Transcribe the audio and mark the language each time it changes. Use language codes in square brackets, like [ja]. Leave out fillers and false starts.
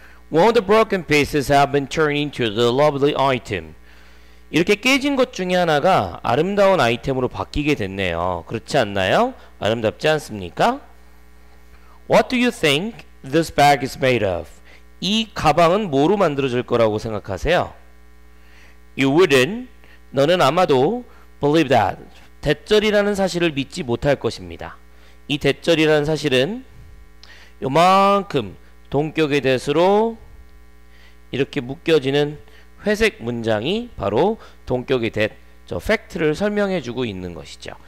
[en] One of the broken pieces have been turned into the lovely item. [ko] 이렇게 깨진 것 중에 하나가 아름다운 아이템으로 바뀌게 됐네요. 그렇지 않나요? 아름답지 않습니까? [en] What do you think this bag is made of? [ko] 이 가방은 뭐로 만들어질 거라고 생각하세요? [en] You wouldn't. [ko] 너는 아마도 [en] believe that. [ko] 대절이라는 사실을 믿지 못할 것입니다. 이 대절이라는 사실은 요만큼 동격의 대수로 이렇게 묶여지는 회색 문장이 바로 동격의 that, 저 팩트를 설명해주고 있는 것이죠.